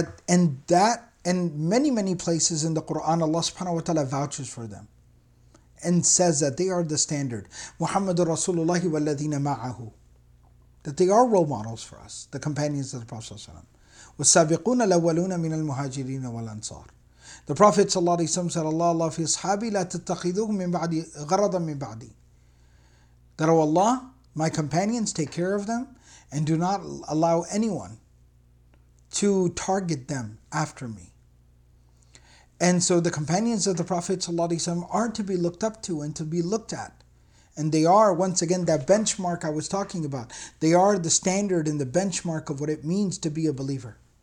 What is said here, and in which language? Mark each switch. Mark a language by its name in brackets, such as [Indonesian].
[English] And many places in the Quran, Allah subhanahu wa ta'ala vouches for them and says that they are the standard. [Arabic] Muhammadur Rasulullah wa alladhina ma'ahu. [English] That they are role models for us, the companions of the Prophet ﷺ. [Arabic] وَالسَّابِقُونَ الْأَوَّلُونَ مِنَ الْمُهَاجِرِينَ وَالْأَنصَارِ. [English] The Prophet [Arabic] صلى الله عليه وسلم said, Allah, Allah, فِي أَصْحَابِي لَا تَتَّخِذُوهُ مِنْ بَعْدِي غَرَضًا مِنْ بَعْدِي. [English] That, O Allah, my companions, take care of them and do not allow anyone to target them after me. And so the companions of the Prophet صلى الله عليه وسلم are to be looked up to and to be looked at. And they are, once again, that benchmark I was talking about. They are the standard and the benchmark of what it means to be a believer.